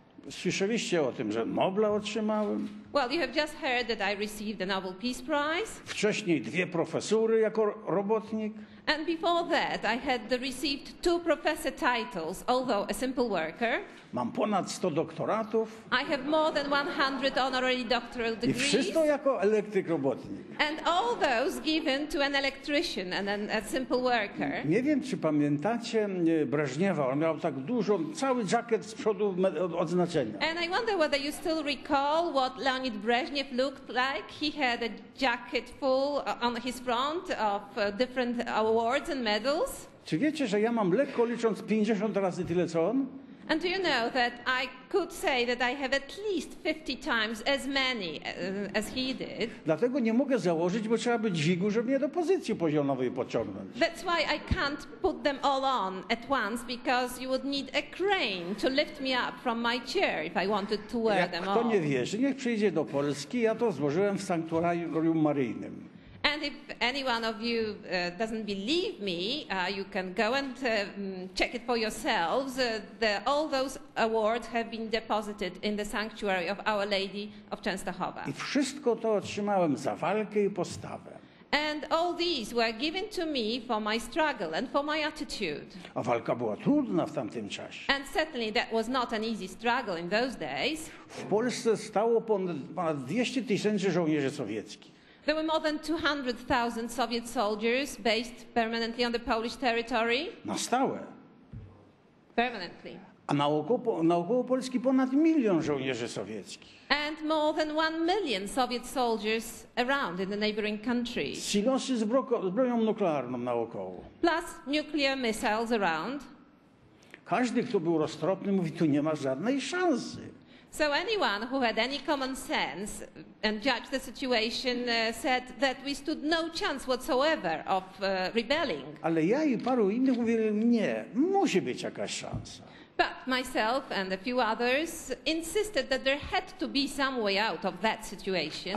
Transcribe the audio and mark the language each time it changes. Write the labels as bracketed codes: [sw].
[pl] Słyszeliście o tym, że Nobla otrzymałem. [en] Well, you have just heard that I received the Nobel Peace Prize. [pl] Wcześniej dwie profesury jako robotnik. [en] And before that I had received two professor titles, although a simple worker. [pl] Mam ponad 100 doktoratów. [en] I have more than 100 honorary doctoral degrees. [pl] I wszystko jako elektryk robotnik. [en] And all those given to an electrician and a simple worker. [pl] Nie wiem, czy pamiętacie Breżniewa, on miał tak dużo, cały jacket z przodu odznaczenia. [en] And I wonder whether you still recall what Leonid Brezhnev looked like. He had a jacket full on his front of different awards and medals. [pl] Czy wiecie, że ja mam lekko licząc 50 razy tyle co on? [en] And do you know that I could say that I have at least 50 times as many as he did? [pl] Dlatego nie mogę założyć, bo trzeba by dźwigu, żeby mnie do pozycji poziomowej pociągnąć. [en] That's why I can't put them all on at once, because you would need a crane to lift me up from my chair if I wanted to wear them all. [pl] Jak kto nie wierzy, niech przyjdzie do Polski, ja to złożyłem w sanktuarium maryjnym. [en] And if any one of you doesn't believe me, you can go and check it for yourselves. All those awards have been deposited in the sanctuary of Our Lady of Częstochowa. [pl] I wszystko to otrzymałem za walkę i postawę. [en] And all these were given to me for my struggle and for my attitude. [pl] A walka była trudna w tamtym czasie. [en] And certainly that was not an easy struggle in those days. [pl] W Polsce stało ponad 200 tysięcy żołnierzy sowieckich. [en] There were more than 200,000 Soviet soldiers based permanently on the Polish territory. [pl] Na stałe. [en] Permanently. [pl] A na około Polski ponad milion żołnierzy sowieckich. [en] And more than 1 million Soviet soldiers around in the neighboring country. [pl] Silosy z bronią nuklearną na około. [en] Plus nuclear missiles around. [pl] Każdy, kto był roztropny, mówi, tu nie ma żadnej szansy. [en] So anyone who had any common sense and judged the situation said that we stood no chance whatsoever of rebelling. [pl] Ale ja i paru innych mówili, nie, musi być jakaś szansa. [en] But myself and a few others insisted that there had to be some way out of that situation.